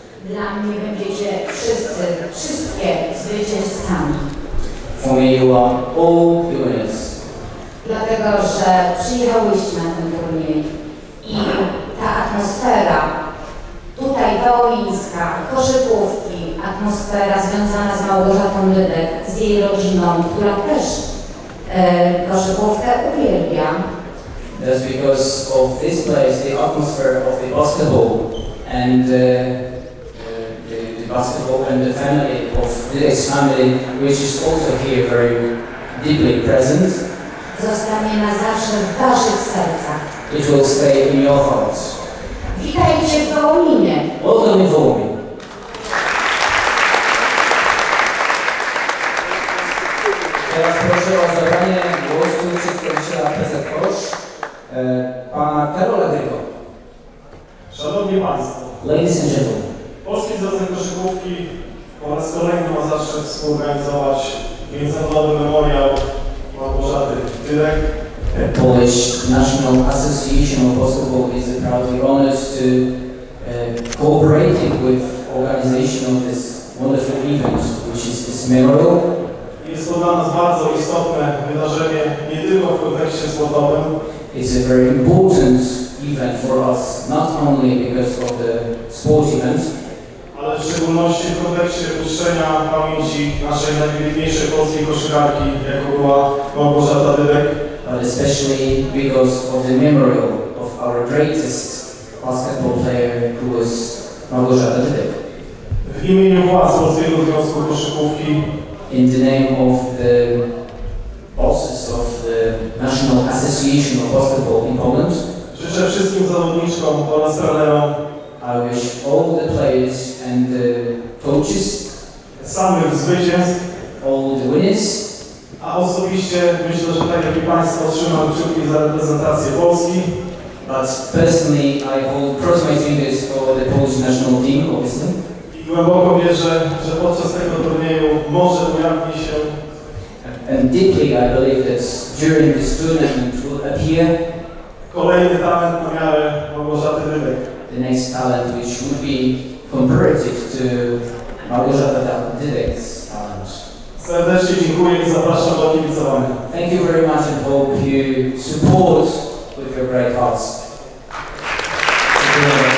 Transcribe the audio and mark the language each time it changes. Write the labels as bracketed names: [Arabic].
[Polish] Dla mnie będziecie wszystkie zwycięzcami. [English] For me, you are all the winners. [Polish] Dlatego, że przyjechałyście na ten turniej i ta atmosfera tutaj wołomińska, koszykówki, atmosfera związana z Małgorzatą Dydek, z jej rodziną, która też koszykówkę uwielbia. [English] That's because of this place, the atmosphere of the basketball and the basketball and the family of this family, which is also here very deeply present. [Polish] Zostanie na zawsze w waszych sercach. [English] It will stay in your hearts. [Polish] Witajcie w Wołominie. [English] Welcome in Wołomin. [Polish] Teraz proszę o zabranie głosu przedstawiciela PZPOŚ. Pana Karola Grygo. Szanowni Państwo. [English] Ladies and gentlemen. [Polish] Polski Związek Koszykówki po raz kolejny ma zawsze współorganizować międzynarodowy memoriał Małgorzaty Dydek. [English] The Polish National Association of Basketball is proudly honored to cooperate with organization of this wonderful event, which is this memorial. [Polish] Jest to dla nas bardzo istotne wydarzenie, nie tylko w kontekście sportowym. [English] It's a very important event for us, not only because of the sports event, [Polish] ale w szczególności w kontekście uczczenia pamięci naszej najwybitniejszej polskiej koszykarki, jaką była Małgorzata Dydek. [English] But especially because of the memorial of our greatest basketball player, who was Małgorzata Dydek. [Polish] W imieniu władz Polskiego Związku Koszykówki, [English] in the name of the bosses of the National Association of Basketball in Poland. [Polish] Życzę wszystkim zawodniczkom oraz trenerom. [English] I wish all the players and the coaches [Polish] samych zwycięstw. [English] All the winners. [Polish] A osobiście myślę, że tak jak i Państwo otrzymam kciuki za reprezentację Polski. [English] But personally I hold cross my fingers for the Polish national team, obviously. [Polish] I głęboko wierzę, że podczas tego turnieju może pojawi się. [English] And deeply I believe that during this tournament will appear [Polish] kolejny talent na miarę Małgorzaty Dydek. [English] The next talent which would be comparative to Małgorzata Dydek's talent. [Polish] Serdecznie dziękuję i zapraszam do kibicowania. [English] Thank you very much and hope you support with your great hearts. [Polish] Dziękuję.